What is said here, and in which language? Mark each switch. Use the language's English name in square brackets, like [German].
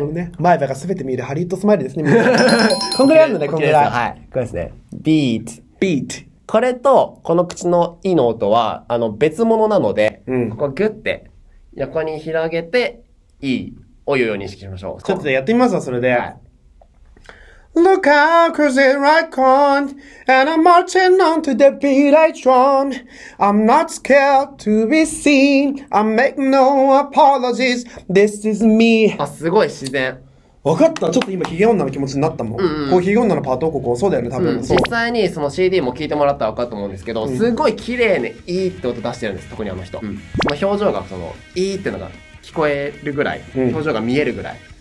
[Japanese] ね、前歯がすべて見えるハリウッドスマイルですね。こんぐらいあるのね、こんぐらい。はい。これですね。beat, [English] beat. [Japanese] これと、この口の E の音は、別物なので、うん、ここグッて、横に広げて、E を言うように意識しましょう。ちょっとやってみますわ、それで。はい、 [English] Look out, cause here I come, and I'm marching on to the beat I drum. I'm not scared to be seen, I make no apologies, this is me. [Japanese] あ、すごい自然。わかった、ちょっと今ヒゲ女の気持ちになったもん。うんうん、こうヒゲ女のパートをここ、そうだよね、多分、うん。実際にその CD も聴いてもらったらわかると思うんですけど、うん、すごい綺麗にいいって音出してるんです、特にあの人。うん、その表情がその、いいってのが聞こえるぐらい、うん、表情が見えるぐらい。